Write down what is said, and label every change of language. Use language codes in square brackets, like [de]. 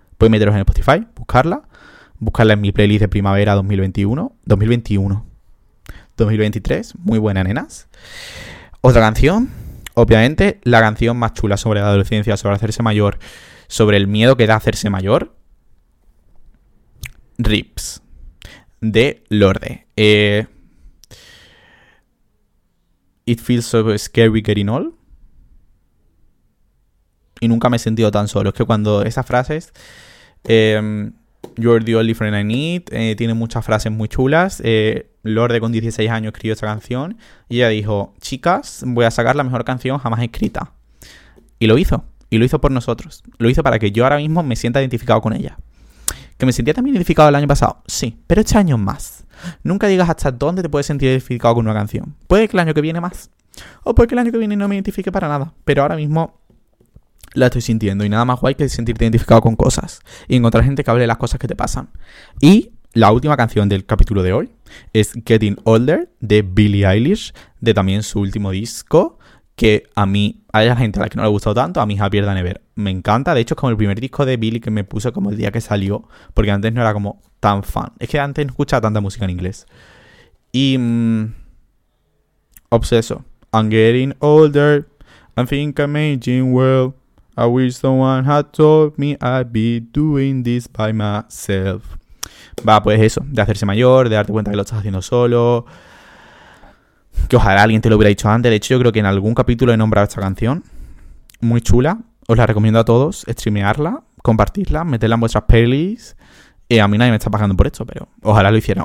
[es] Puedes meteros en Spotify, buscarla en mi playlist de primavera 2023, muy buena, nenas. Otra canción. Obviamente, la canción más chula sobre la adolescencia, sobre hacerse mayor, sobre el miedo que da hacerse mayor, Rips, de Lorde. [en] It feels so scary getting old. [es] Y nunca me he sentido tan solo. Es que cuando esas frases, [en] You're the only friend I need, [es] tiene muchas frases muy chulas. Lorde con 16 años escribió esta canción y ella dijo, chicas, voy a sacar la mejor canción jamás escrita. Y lo hizo por nosotros. Lo hizo para que yo ahora mismo me sienta identificado con ella. ¿Que me sentía también identificado el año pasado? Sí, pero este año más. Nunca digas hasta dónde te puedes sentir identificado con una canción. Puede que el año que viene más. O puede que el año que viene no me identifique para nada. Pero ahora mismo la estoy sintiendo y nada más guay que sentirte identificado con cosas y encontrar gente que hable de las cosas que te pasan. Y la última canción del capítulo de hoy es Getting Older de Billie Eilish, de también su último disco, que a mí, hay gente a la que no le ha gustado tanto, a mí Happier Than Ever me encanta. De hecho, es como el primer disco de Billie que me puse como el día que salió, porque antes no era como tan fan. Es que antes no escuchaba tanta música en inglés. Y obseso. [en] I'm getting older, I think I'm aging well, I wish someone had told me I'd be doing this by myself. [es] Va, pues eso, de hacerse mayor, de darte cuenta que lo estás haciendo solo. Que ojalá alguien te lo hubiera dicho antes. De hecho, yo creo que en algún capítulo he nombrado esta canción. Muy chula. Os la recomiendo a todos. Streamearla, compartirla, meterla en vuestras playlists. A mí nadie me está pagando por esto, pero ojalá lo hicieran.